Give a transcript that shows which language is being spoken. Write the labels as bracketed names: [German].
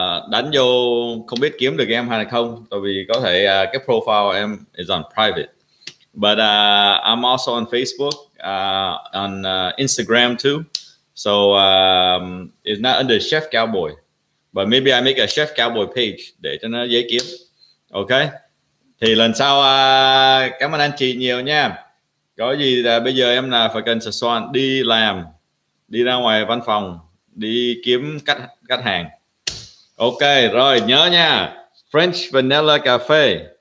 [Vietnamese] Đánh vô không biết kiếm được em hay không, tại vì có thể cái profile em [English] is on private. But I'm also on Facebook, on Instagram too. So it's not under Chef Cowboy, but maybe I make a Chef Cowboy page [Vietnamese] để cho nó dễ kiếm. [English] Okay. [Vietnamese] Thì lần sau cảm ơn anh chị nhiều nha. Có gì bây giờ em là phải cần sửa soạn đi làm, đi ra ngoài văn phòng, đi kiếm khách hàng. Ok, rồi nhớ nha. French Vanilla Cafe.